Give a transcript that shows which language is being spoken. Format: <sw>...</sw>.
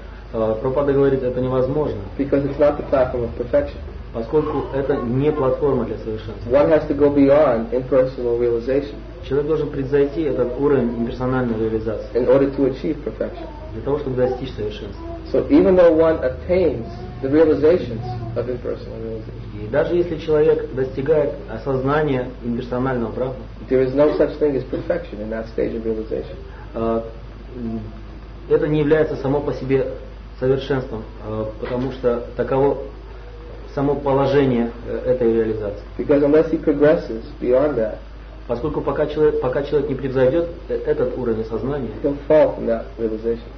<ru>Прабхупада говорит, это невозможно,</ru> <en>because it's not the platform of perfection.</en> <ru>Поскольку это не платформа для совершенства.</ru> <en>One has to go beyond impersonal realization.</en> <ru>Человек должен превзойти этот уровень имперсональной реализации</ru> <en>in order to achieve perfection.</en> <ru>Для того, чтобы достичь совершенства.</ru> <en>So even though one attains the realizations of impersonal realization,</en> <ru>и даже если человек достигает осознания имперсонального брахма,</ru> <en>there is no such thing as perfection in that stage of realization.</en> <ru>Это не является само по себе совершенством, потому что таково само положение этой реализации.</ru> <en>Because unless he progresses beyond that,</en> <ru>поскольку пока человек не превзойдет этот уровень сознания,</ru> <en>he'll fall from that realization.</en>